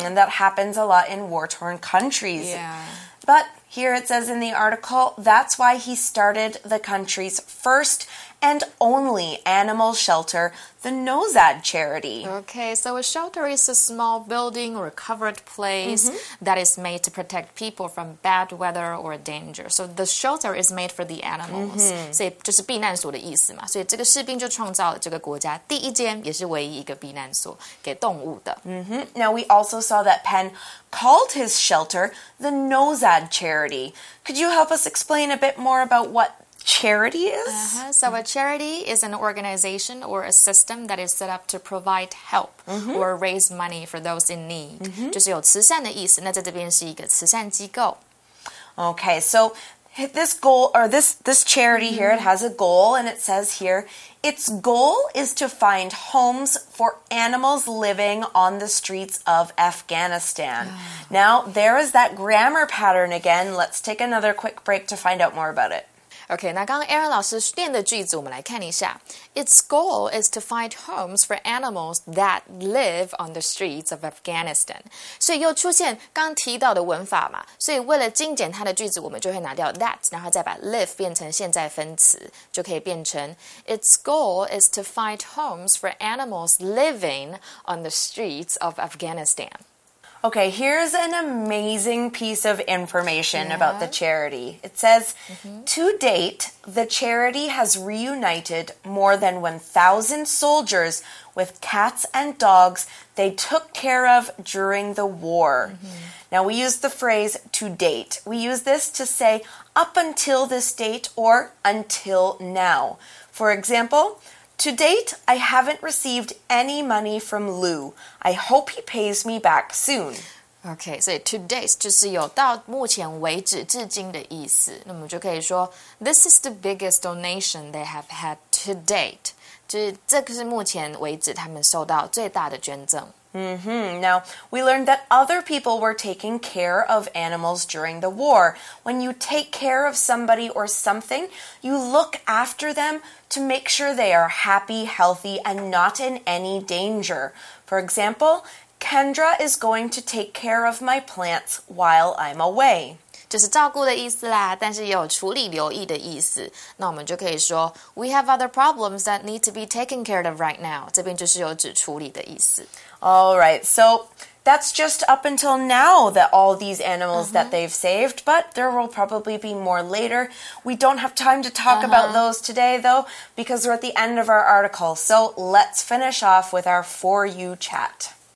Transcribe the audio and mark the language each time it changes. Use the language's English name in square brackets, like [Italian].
[English] And that happens a lot in war-torn countries. But here it says in the article, that's why he started the country's first and only animal shelter, the Nozad Charity. Okay, so a shelter is a small building or a covered place that is made to protect people from bad weather or danger. So the shelter is made for the animals. [Chinese] 所以就是避难所的意思嘛。所以这个士兵就创造了这个国家第一间也是唯一一个避难所给动物的。 [English] Now we also saw that Pen called his shelter the Nozad Charity. Could you help us explain a bit more about what charity is? So a charity is an organization or a system that is set up to provide help or raise money for those in need. [Chinese] 就是有慈善的意思，那在这边是一个慈善机构。 [English] Okay, so this goal, or this charity here, it has a goal, and it says here, its goal is to find homes for animals living on the streets of Afghanistan. Now, there is that grammar pattern again. Let's take another quick break to find out more about it. [Chinese] OK, 那刚刚 Aaron 老师念的句子我们来看一下。 [English] Its goal is to find homes for animals that live on the streets of Afghanistan. [Chinese] 所以又出现刚提到的文法嘛。所以为了精简它的句子我们就会拿掉 that, 然后再把 live 变成现在分词就可以变成 [English] Its goal is to find homes for animals living on the streets of Afghanistan. Okay, here's an amazing piece of information about the charity. It says, to date, the charity has reunited more than 1,000 soldiers with cats and dogs they took care of during the war. Now, we use the phrase to date. We use this to say up until this date or until now. For example, to date, I haven't received any money from Lou. I hope he pays me back soon. Okay, so to date [Chinese] 就是有到目前为止至今的意思。那么就可以说 [English] This is the biggest donation they have had to date. [Chinese] 就是这个是目前为止他们收到最大的捐赠。 [English] Now, we learned that other people were taking care of animals during the war. When you take care of somebody or something, you look after them to make sure they are happy, healthy, and not in any danger. For example, Kendra is going to take care of my plants while I'm away. [Chinese] 就是照顾的意思啦，但是也有处理留意的意思。那我们就可以说 [English] We have other problems that need to be taken care of right now. [Chinese] 这边就是有指处理的意思。 [English] All right, so that's just up until now that all these animals that they've saved, but there will probably be more later. We don't have time to talk about those today, though, because we're at the end of our article. So let's finish off with our For You Chat.